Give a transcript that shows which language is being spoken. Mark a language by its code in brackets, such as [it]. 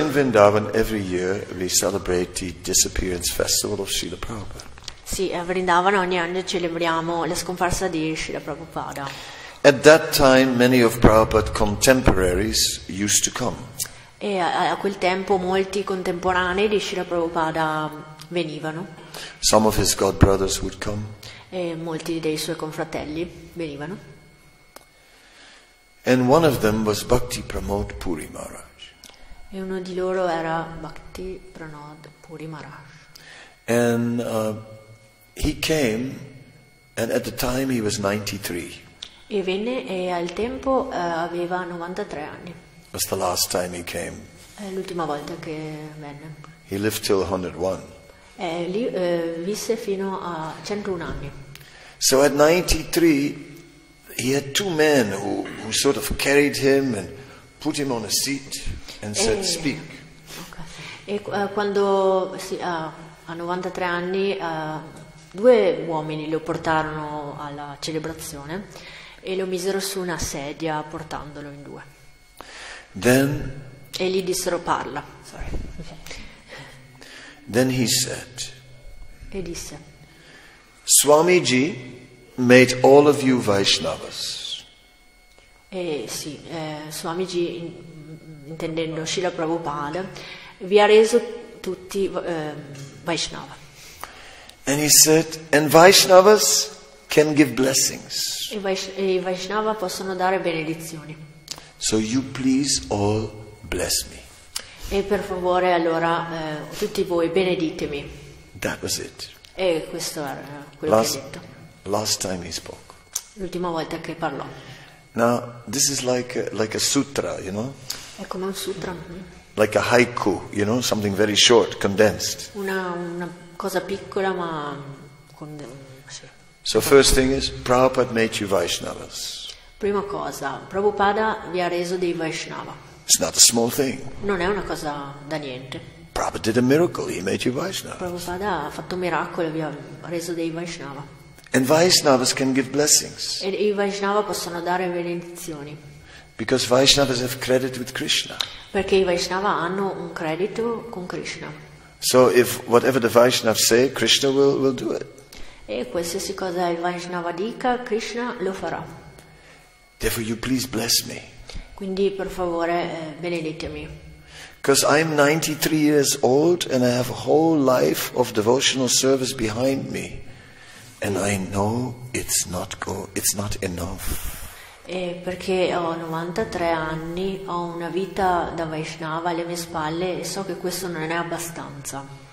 [en] In Vrindavan, every year we celebrate the disappearance festival of Srila Prabhupada. [it] Sì, a Vrindavan ogni anno celebriamo la scomparsa di Srila Prabhupada. [en] At that time, many of Prabhupada's contemporaries used to come. [it] E a quel tempo molti contemporanei di Srila Prabhupada venivano. [en] Some of his godbrothers would come. [it] E molti dei suoi confratelli venivano. [en] And one of them was Bhakti Pramod Puri Maharaj. [it] E uno di loro era Bhakti Pramod Puri Maharaj. [en] And he came, and at the time he was 93. [it] E venne e al tempo aveva 93 anni. [en] Was the last time he came. [it] È l'ultima volta che venne. [en] He lived till 101. [it] E lì visse fino a 101 anni. [en] So at 93. He had two men who sort of carried him and put him on a seat and said, "Speak." [it] Okay. E quando sì, a 93 anni due uomini lo portarono alla celebrazione e lo misero su una sedia portandolo in due. [en] Then. [it] E gli dissero parla. [en] Sorry. Then he said. [it] E disse. [en] Swamiji. Made all of you Vaishnavas. [it] Sì, Swamiji, intendendo Srila Prabhupada, vi ha reso tutti Vaishnava. [en] And he said, and Vaishnavas can give blessings. [it] E Vaishnava possono dare benedizioni. [en] So you please all bless me. [it] E per favore allora tutti voi beneditemi. [en] That was it. [it] E questo era quello che ha detto. [en] Last time he spoke. [it] L'ultima volta che parlò. [en] Now this is like a sutra, you know. [it] È come un sutra. [en] Like a haiku, you know, something very short, condensed. [it] Una cosa piccola ma sì. [en] So first thing is, Prabhupada made you Vaishnavas. [it] Prima cosa, Prabhupada vi ha reso dei Vaishnava. [en] It's not a small thing. [it] Non è una cosa da niente. [en] Prabhupada did a miracle. He made you Vaishnavas. [it] Prabhupada ha fatto un miracolo e vi ha reso dei Vaishnava. [en] And Vaishnavas can give blessings. [it] E i Vaishnava possono dare benedizioni. [en] Because Vaishnavas have credit with Krishna. [it] Perché i Vaishnava hanno un credito con Krishna. [en] So if whatever the Vaishnava say, Krishna will do it. [it] E qualsiasi cosa il Vaishnava dica, Krishna lo farà. [en] Therefore you please bless me. [it] Quindi per favore beneditemi. [en] Because I'm 93 years old and I have a whole life of devotional service behind me. And I know it's not enough. [it] E perché ho 93 anni, ho una vita da Vaishnava alle mie spalle e so che questo non è abbastanza.